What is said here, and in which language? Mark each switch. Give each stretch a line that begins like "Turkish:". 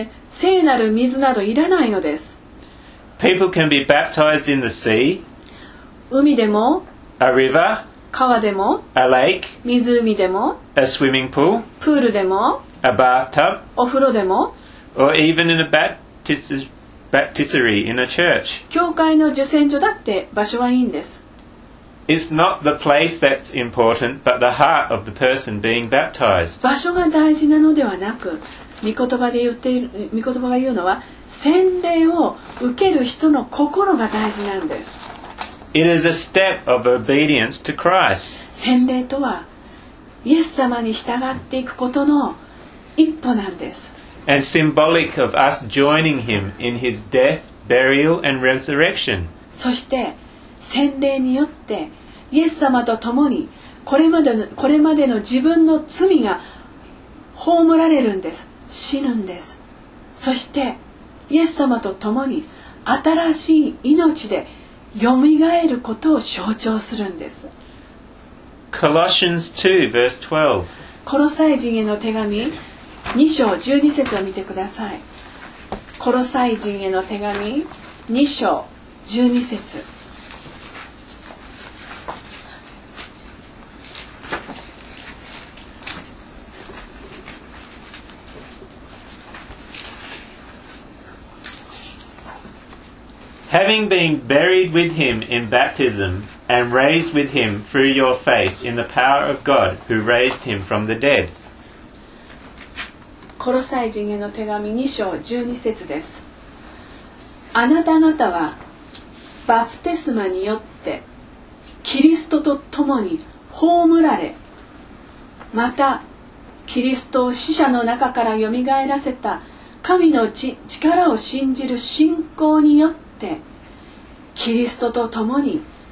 Japanese: 聖なる水などいらないのです。
English: People can be baptized in the sea.
Japanese: 海でも、
English: a river.
Japanese: 川でも、
English: a lake.
Japanese: 湖でも、
English: a swimming pool.
Japanese: プールでも、
English: a bathtub.
Japanese: お風呂でも、
English: or even in a baptistry in a church.
Japanese: 教会の受洗所だって場所はいいんです。
English: It's not the place that's important, but the heart of the person being baptized.
Japanese: 場所が大事なのではなく、御言葉が言うのは、洗礼を受ける人の心が大事なんです。
English: It is a step of obedience to Christ.
Japanese: 洗礼とは、イエス様に従っていくことの一歩なんです。
English: And symbolic of us joining him in his death, burial, and resurrection.
Japanese: そして、洗礼によってイエス様と共にこれまでの自分の罪が葬られるんです。死ぬんです。そしてイエス様と共に新しい命でよみがえることを象徴するんです。
English: Colossians 2 verse 12。
Japanese: コロサイ人への手紙2章12節を見てください。コロサイ人への手紙2章12節。
English: Having been buried with him in baptism and raised with him through your faith in the power of God who raised him from the dead.
Japanese: コロサイ人への手紙2章12節です。あなた方はバプテスマによってキリストと共に葬られ、またキリストを死者の中からよみがえらせた神の力を信じる信仰によって、キリストと共に